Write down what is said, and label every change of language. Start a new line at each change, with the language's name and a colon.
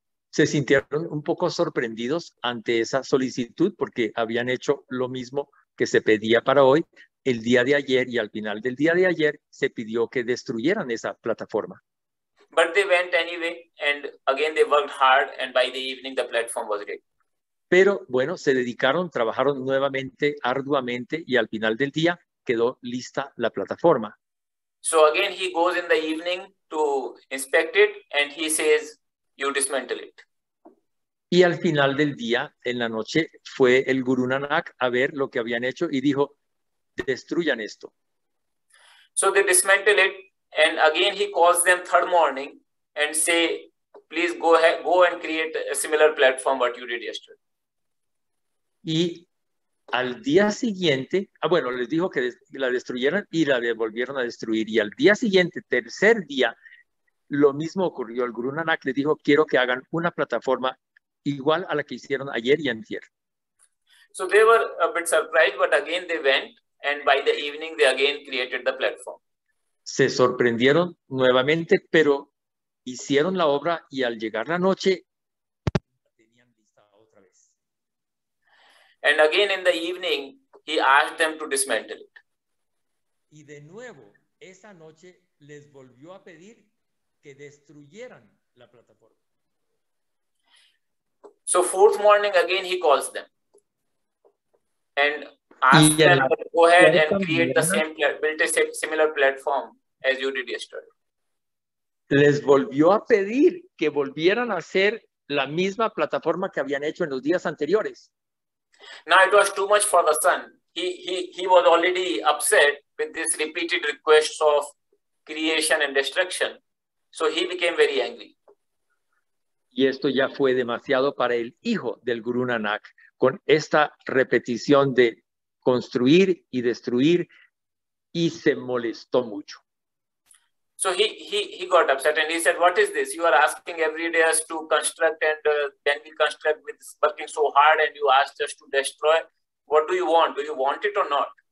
Spanish: Se sintieron un poco sorprendidos ante esa solicitud porque habían hecho lo mismo que se pedía para hoy, el día de ayer, y al final del día de ayer se pidió que destruyeran esa plataforma.
English: But they went anyway and again they worked hard and by the evening the platform was ready.
Spanish: Pero bueno, se dedicaron, trabajaron nuevamente, arduamente, y al final del día quedó lista la plataforma.
English: So again he goes in the evening to inspect it and he says, "You dismantle it."
Spanish: Y al final del día, en la noche, fue el Guru Nanak a ver lo que habían hecho y dijo, "Destruyan esto."
English: So they dismantle it and again he calls them third morning and say, "Please go and create a similar platform what you did yesterday."
Spanish: Y al día siguiente, bueno, les dijo que la destruyeran y la volvieron a destruir. Y al día siguiente, tercer día, lo mismo ocurrió. El Guru Nanak le dijo, "Quiero que hagan una plataforma igual a la que hicieron ayer y antier."
English: So they were a bit surprised, but again they went and by the evening they again created the platform.
Spanish: Se sorprendieron nuevamente, pero hicieron la obra y al llegar la noche la tenían lista otra vez.
English: And again in the evening, he asked them to dismantle it.
Spanish: Y de nuevo, esa noche les volvió a pedir que destruyeran la plataforma.
English: So fourth morning, again he calls them. And asks them to go ahead and create the same, build a similar platform as you did yesterday.
Spanish: Les volvió a pedir que volvieran a hacer la misma plataforma que habían hecho en los días anteriores.
English: Now it was too much for the son. He was already upset with this repeated requests of creation and destruction. So he became very angry.
Spanish: Y esto ya fue demasiado para el hijo del Guru Nanak con esta repetición de construir y destruir, y se molestó mucho.
English: So he got upset and he said, what is this? You are asking every day us to construct and then we construct with working so hard and you asked us to destroy. What do you want? Do you want it or not?